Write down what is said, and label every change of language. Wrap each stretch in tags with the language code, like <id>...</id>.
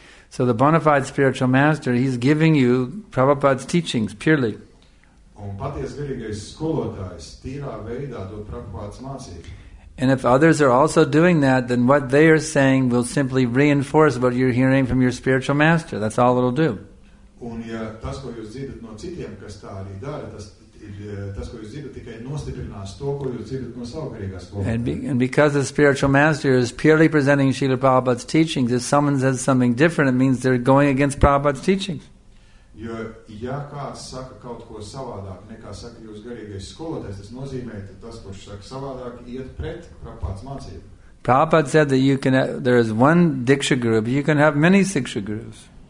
<en>So the bona fide spiritual master, he's giving you Prabhupada's teachings purely. And if others are also doing that, then what they are saying will simply reinforce what you're hearing from your spiritual master. That's all it'll do.</en> <lv>Un ja tas, ko jūs dzirdat no citiem, kas tā arī dara, tas tas, ko jūs dzirdat, tikai nostiprinās to, ko jūs dzirdat no savu garīgās skolas.</lv> <en>And because the spiritual master is purely presenting Srila Prabhupada's teachings, if someone says something different, it means they're going against Prabhupada's teachings.</en> <lv>Jo, ja kāds saka kaut ko savādāk, nekā saka jūs garīgais skolotājs, tas nozīmē, tad tas, kurš saka savādāk, iet pret Prabhupada's mācību.</lv> <en>Prabhupada said that you can have, there is one Diksha Guru, but you can have many Siksha Gurus.</en>